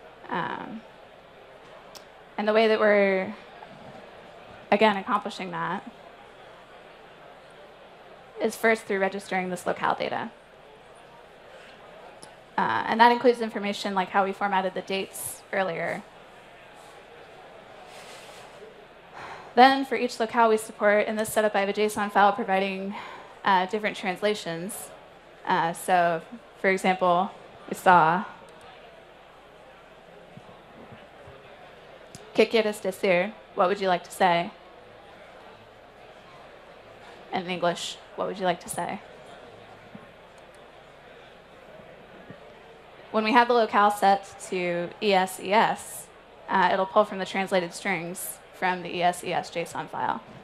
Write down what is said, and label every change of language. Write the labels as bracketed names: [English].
[English] And the way that we're again accomplishing that is first through registering this locale data. And that includes information like how we formatted the dates earlier. Then for each locale we support, in this setup I have a JSON file providing different translations. So for example, we saw [Spanish] ¿Qué quieres decir? [English] What would you like to say? And in English, what would you like to say? When we have the locale set to ESES, it'll pull from the translated strings from the ESES JSON file.